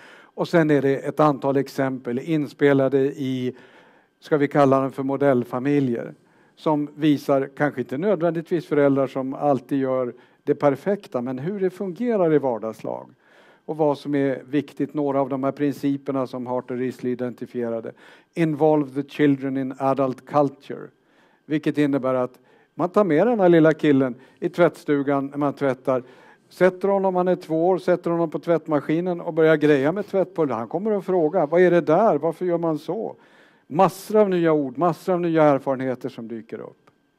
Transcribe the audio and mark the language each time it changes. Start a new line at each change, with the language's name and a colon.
Swedish: Och sen är det ett antal exempel inspelade i, ska vi kalla dem för modellfamiljer, som visar, kanske inte nödvändigtvis föräldrar som alltid gör det perfekta, men hur det fungerar i vardagslag. Och vad som är viktigt, några av de här principerna som Hart och Risley identifierade.
English: Involve the children in adult culture.
Swedish: Vilket innebär att man tar med den här lilla killen i tvättstugan när man tvättar. Sätter honom, han är 2 år, sätter honom på tvättmaskinen och börjar greja med tvättpulver. Han kommer att fråga, vad är det där? Varför gör man så? Massor av nya ord, massor av nya erfarenheter som dyker upp.